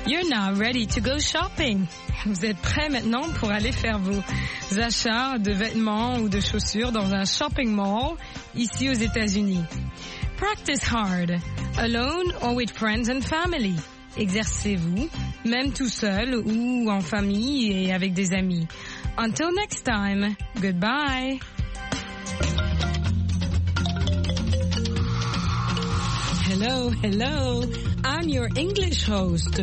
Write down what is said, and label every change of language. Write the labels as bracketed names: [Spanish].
[English] Now ready to go shopping. [French] Vous êtes prêts maintenant pour aller faire vos achats de vêtements ou de chaussures dans un shopping mall ici aux États-Unis. [English] Practice hard, alone or with friends and family. [French] Exercez-vous, même tout seul ou en famille et avec des amis. [English] Until next time, goodbye. Hello, hello. I'm your English host.